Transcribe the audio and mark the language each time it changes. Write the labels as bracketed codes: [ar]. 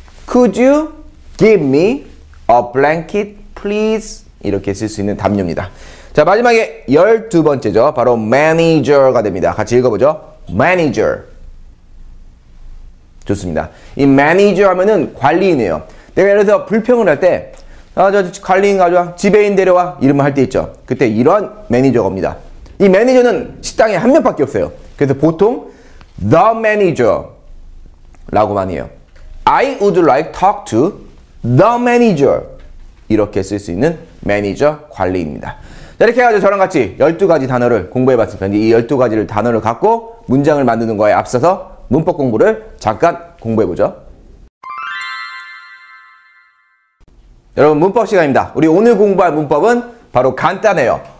[en] Could you give me a blanket, please? [ko] 이렇게 쓸 수 있는 담요입니다. 자, 마지막에 12번째죠. 바로 manager가 됩니다. 같이 읽어보죠. manager. 좋습니다. 이 manager 하면은 관리인이에요. 내가 예를 들어서 불평을 할 때, 아, 저 관리인 가져와. 지배인 데려와. 이러면 할 때 있죠. 그때 이런 매니저가 옵니다. 이 매니저는 식당에 한 명밖에 없어요. 그래서 보통 the manager 라고만 해요. [en] I would like talk to the manager. [ko] 이렇게 쓸 수 있는 매니저 관리입니다. 자, 이렇게 해가지고 저랑 같이 12가지 단어를 공부해봤습니다. 이 12가지를 단어를 갖고 문장을 만드는 거에 앞서서 문법 공부를 잠깐 공부해보죠. 여러분, 문법 시간입니다. 우리 오늘 공부할 문법은 바로 간단해요.